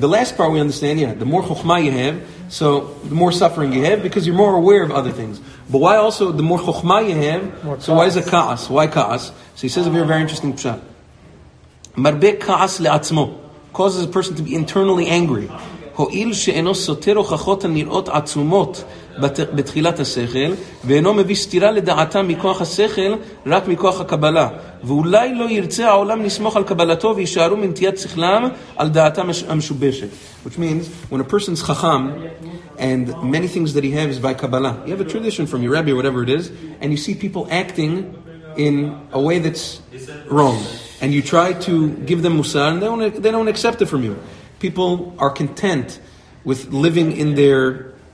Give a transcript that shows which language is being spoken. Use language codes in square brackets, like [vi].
[en] The last part we understand, yeah, the more Chochma you have, so the more suffering you have, because you're more aware of other things. But why also, the more Chochma you have, more so chaos. Why is it Ka'as? Why Ka'as? So he says a very interesting pshat. [he] Marbe Ka'as Le'atzmo. [en] Causes a person to be internally angry. [he] Ho'il she'eno sotero chachotan nirot atzumot. בתחילת השכל, ואינו מביא סתירה לדעתה מכוח השכל, רק מכוח הקבלה. ואולי לא ירצה העולם לסמוך על קבלתו וישארו מנטיית שכלם על דעתם המשובשת. [en] Which means, when a person's chacham, and many things that he has is by Kabbalah, you have a tradition from your rabbi or whatever it is, and you see people acting in a way that's wrong. And you try to give them musar, and they don't accept it from you. People are content with living in their...